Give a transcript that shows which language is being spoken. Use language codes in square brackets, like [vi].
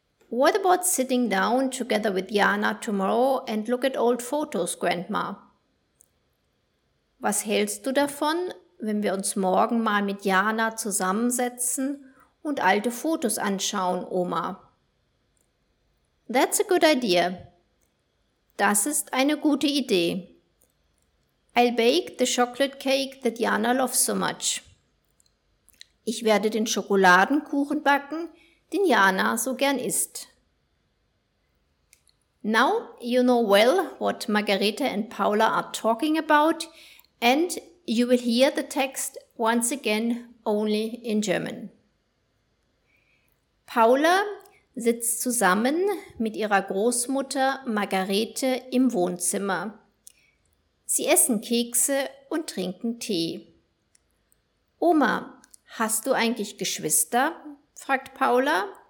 [en] What about sitting down together with Jana tomorrow and look at old photos, Grandma? [de] Was hältst du davon, wenn wir uns morgen mal mit Jana zusammensetzen und alte Fotos anschauen, Oma? [en] That's a good idea. [de] Das ist eine gute Idee. [en] I'll bake the chocolate cake that Jana loves so much. [de] Ich werde den Schokoladenkuchen backen, den Jana so gern isst. [en] Now you know well what Margarete and Paula are talking about, and you will hear the text once again only in German. [de] Paula sitzt zusammen mit ihrer Großmutter Margarete im Wohnzimmer. Sie essen Kekse und trinken Tee. Oma, hast du eigentlich Geschwister? Fragt Paula.